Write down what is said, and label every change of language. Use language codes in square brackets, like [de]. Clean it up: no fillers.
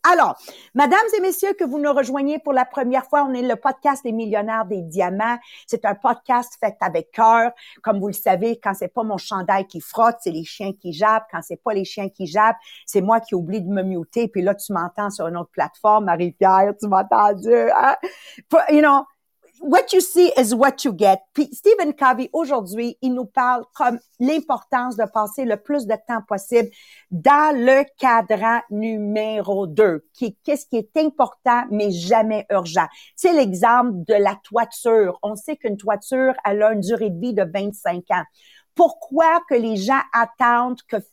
[fr] Alors, mesdames et messieurs, que vous nous rejoignez pour la première fois, on est le podcast Les Millionnaires des Diamants. C'est un podcast fait avec cœur. Comme vous le savez, quand c'est pas mon chandail qui frotte, c'est les chiens qui jappent. Quand c'est pas les chiens qui jappent, c'est moi qui oublie de me muter. Puis là, tu m'entends sur une autre plateforme, Marie-Pierre, tu m'entends, Dieu, hein? [en] You know, what you see is what you get. [fr] Puis Stephen Covey, aujourd'hui, il nous parle comme l'importance de passer le plus de temps possible dans le cadran numéro 2. Qu'est-ce qui est important, mais jamais urgent? C'est l'exemple de la toiture. On sait qu'une toiture, elle a une durée de vie de 25 ans. Pourquoi que les gens attendent que